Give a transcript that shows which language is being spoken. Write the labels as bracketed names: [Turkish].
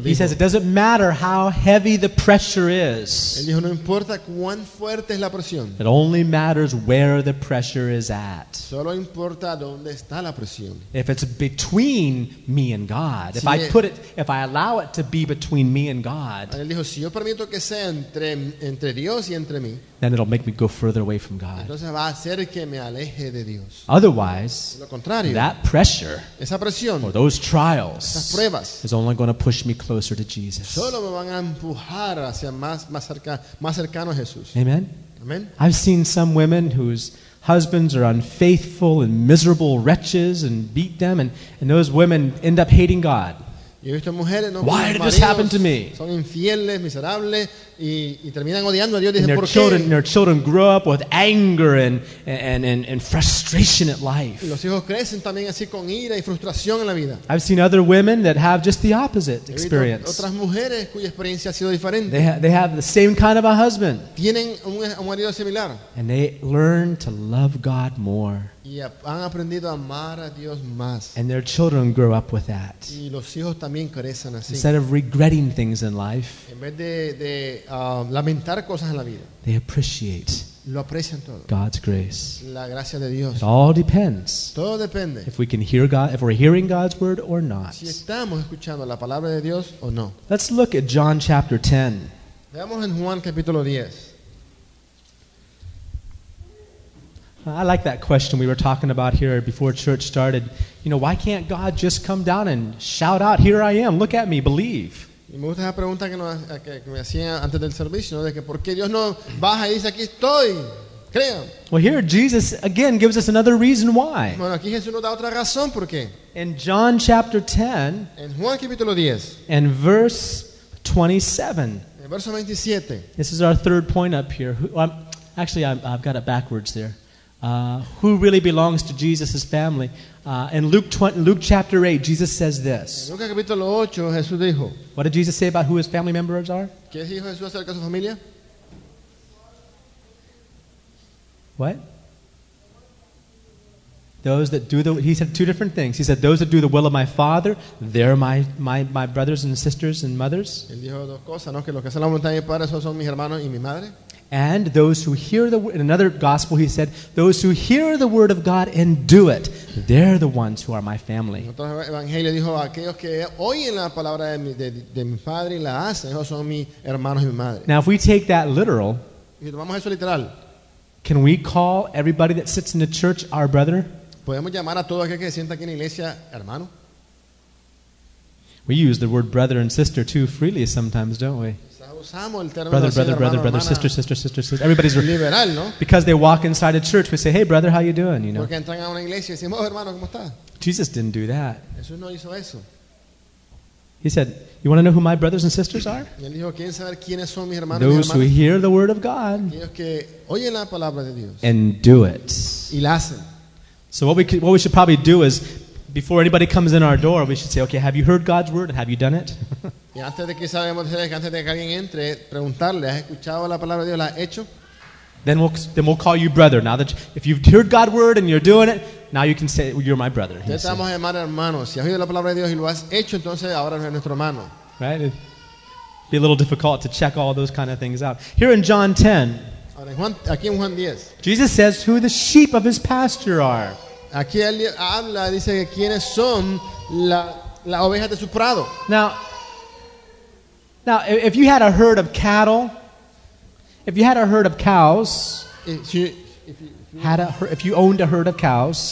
[English] he says, it doesn't matter how heavy the pressure is. [Spanish] Él dijo, no importa cuán fuerte es la presión. [English] It only matters where the pressure is at. [Spanish] Solo importa dónde está la presión. [English] If it's between me and God, if I allow it to be between me and God, [Spanish] él dijo, si yo permito que sea entre Dios y entre mí, [English] then it'll make me go further away from God. [Spanish] Entonces va a hacer que me aleje de Dios. [English] Otherwise, [Spanish] lo contrario, [English] that pressure, [Spanish] esa presión, [English] or those trials, [Spanish] esas pruebas, [English] is only going to push me closer to Jesus. [Spanish] Solo me van a empujar hacia más cercano a Jesús. [English] Amen. [Spanish] Amen. [English] I've seen some women whose husbands are unfaithful and miserable wretches and beat them, and those women end up hating God. Why did this happen to me? [Spanish] Son infieles, miserables, y terminan odiando a Dios. [English] And their children grow up with anger and frustration at life. [Spanish] Los hijos crecen también así con ira y frustración en la vida. [English] I've seen other women that have just the opposite experience. [Spanish] Otras mujeres cuya experiencia ha sido diferente. [English] They have the same kind of a husband. [Spanish] Tienen un marido similar. [English] And they learn to love God more. [Spanish] Y han aprendido a amar a Dios más. [English] And their children grow up with that. [Spanish] Y los hijos también crecen así. [English] Instead of regretting things in life, [Spanish] en vez de lamentar cosas en la vida, [English] they appreciate [Spanish] lo aprecian todo. [English] God's grace. [Spanish] La gracia de Dios. [English] It all depends. [Spanish] Todo depende. [English] If we can hear God, if we're hearing God's word or not. [Spanish] Si estamos escuchando la palabra de Dios o no. [English] Let's look at John chapter 10. [Spanish] Veamos en Juan capítulo 10. [English] I like that question we were talking about here before church started. You know, why can't God just come down and shout out, "Here I am, look at me, believe"? [Spanish] Y me gusta esa pregunta que me hacía antes del servicio, ¿no? De que por qué Dios no baja y dice, "Aquí estoy, crean"? [English] Well, here Jesus again gives us another reason why. [Spanish] Bueno, aquí Jesús nos da otra razón por qué. [English] In John chapter 10, [Spanish] en Juan capítulo 10, [English] and verse 27. [Spanish] En verso 27. [English] This is our third point up here. I've got it backwards there. Who really belongs to Jesus' family. In Luke chapter 8, Jesus says this. [Spanish] En Lucas capítulo 8, Jesús dijo, [English] what did Jesus say about who his family members are? [Spanish] ¿Qué dijo Jesús acerca de su familia? [English] What? Those that do the... He said two different things. He said, those that do the will of my Father, they're my brothers and sisters and mothers. [Spanish] Él dijo dos cosas, ¿no? Que los que hacen la voluntad de mi Padre, esos son mis hermanos y mi madre. [English] And those who hear the word, in another gospel he said, those who hear the word of God and do it, they're the ones who are my family. [Spanish] Otro evangelio dijo, aquellos que oyen la palabra de mi padre y la hacen, esos son mis hermanos y mi madre. [English] Now if we take that literal, [Spanish] si tomamos eso literal, [English] can we call everybody that sits in the church our brother? [Spanish] ¿Podemos llamar a todo aquel que se sienta aquí en la iglesia hermano? [English] We use the word brother and sister too freely sometimes, don't we? Brother, sister. Everybody's [Spanish] liberal, no? [English] Because they walk inside a church, we say, "Hey, brother, how you doing?" You know. [Spanish] Porque entran a una iglesia y decimos, "Oh, hermano, ¿cómo estás?" [English] Jesus didn't do that. [Spanish] Jesús no hizo eso. [English] He said, "You want to know who my brothers and sisters are?" [Spanish] Y él dijo, "¿Quieren saber quiénes son mis hermanos?" [English] Those who hear the word of God. [Spanish] Aquellos que oyen la palabra de Dios. [English] And do it. [Spanish] Y la hacen. [English] So what we should probably do is, before anybody comes in our door, we should say, "Okay, have you heard God's word? Have you done it?" [Spanish] Y antes de que sabemos, antes de que alguien entre, preguntarle, ¿has escuchado la palabra de Dios? ¿La has hecho? [English] Then we'll call you brother. Now that if you've heard God's word and you're doing it, now you can say you're my brother. [Spanish] Ya estamos llamados hermanos. Si has oído la palabra de Dios y lo has hecho, entonces ahora eres nuestro hermano. [English] Right? It'd be a little difficult to check all those kind of things out. Here in John 10. [Spanish] Ahora, aquí en Juan 10. [English] Jesus says who the sheep of his pasture are. [Spanish] Aquí él habla, dice que quiénes son la oveja de su prado. [English] Now, if you had a herd of cattle, if you had a herd of cows, if you owned a herd of cows,